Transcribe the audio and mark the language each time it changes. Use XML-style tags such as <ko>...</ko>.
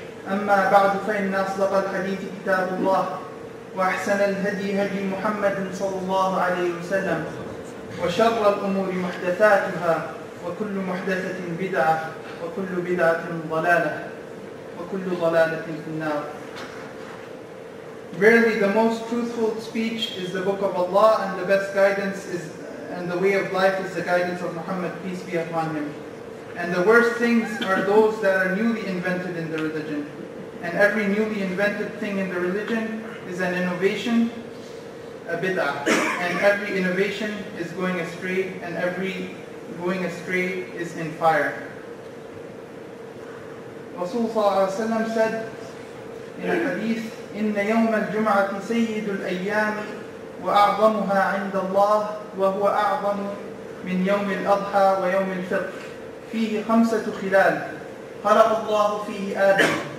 <ar>أما بعد فإن أصدق الحديث كتاب الله وأحسن الهدي هدي محمد صلى الله عليه وسلم وشر الأمور محدثاتها وكل محدثة بدعة وكل بدعة ضلالة وكل ضلالة في النار.</ar> <en>Verily the most truthful speech is the book of Allah, and the best guidance is and the way of life is the guidance of Muhammad, peace be upon him. And the worst things are those that are newly invented in the religion. And every newly invented thing in the religion is an innovation, a bid'ah. And every innovation is going astray, and every going astray is in fire. Rasulullah ﷺ said in a hadith,</en> <ar>إِنَّ يَوْمَ الْجُمْعَةِ سَيِّدُ الْأَيَّامِ وَأَعْظَمُهَا عِنْدَ اللَّهِ وَهُوَ أَعْظَمُ مِنْ يَوْمِ الْأَضْحَى وَيَوْمِ الْفِطْرِ فِيهِ خَمْسَةُ خِلَالِ خَلَقَ اللَّهُ فِيهِ آدَمَ</ar>